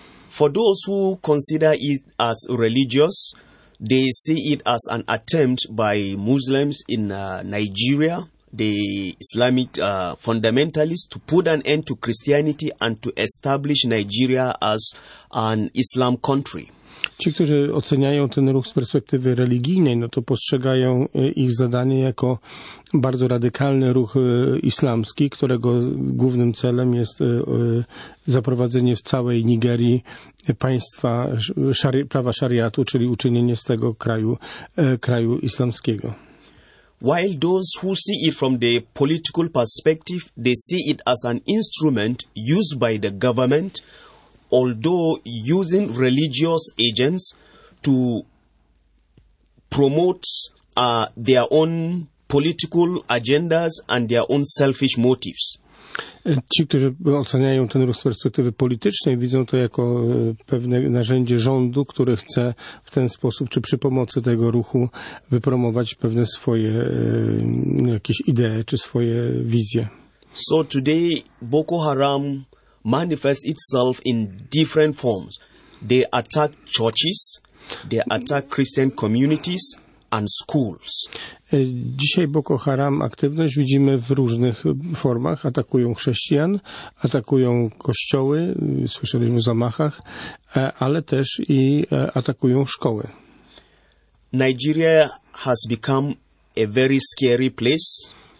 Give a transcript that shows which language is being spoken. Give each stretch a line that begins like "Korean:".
English: For those who consider it as religious, they see it as an attempt by Muslims in Nigeria, the Islamic fundamentalists, to put an end to Christianity and to establish Nigeria as an Islam country.
Polish: Ci, którzy oceniają ten ruch z perspektywy religijnej, no to postrzegają ich zadanie jako bardzo radykalny ruch islamski, którego głównym celem jest zaprowadzenie w całej Nigerii państwa prawa szariatu, czyli uczynienie z tego kraju islamskiego.
English: While those who see it from the political perspective, they see it as an instrument used by the government, although using religious agents to promote their own political agendas and their own selfish motives.
Polish: Ci, którzy oceniają ten ruch z perspektywy politycznej, widzą to jako pewne narzędzie rządu, który chce w ten sposób, czy przy pomocy tego ruchu, wypromować pewne swoje jakieś idee, czy swoje wizje.
English: So today Boko Haram manifests itself in different forms. They attack churches, they attack Christian communities and schools.
Polish: Dzisiaj Boko Haram aktywność widzimy w różnych formach. Atakują chrześcijan, atakują kościoły, słyszeliśmy o zamachach, ale też i atakują szkoły.
English: Nigeria has become a very scary place.